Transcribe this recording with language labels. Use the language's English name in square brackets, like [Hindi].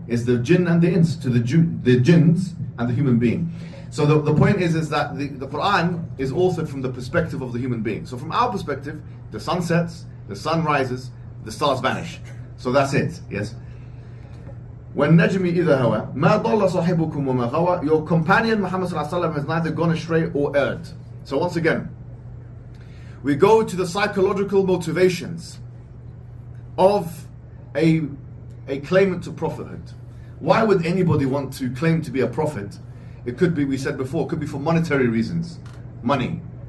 [English] It's the jinn and the ins, to the jinns and the human being. So the point is that the Quran is authored from the perspective of the human being. So from our perspective, the sun sets, the sun rises, the stars vanish. So that's it, yes? [Arabic] When Najmi إِذَا هَوَى مَا ضَلَّ صَحِبُكُمْ وَمَا غَوَى. [English] Your companion Muhammad Sallallahu Alaihi Wasallam has neither gone astray or erred. So once again, we go to the psychological motivations of a claimant to prophethood. Why would anybody want to claim to be a prophet? It could be, we said before, it could be for monetary reasons, money.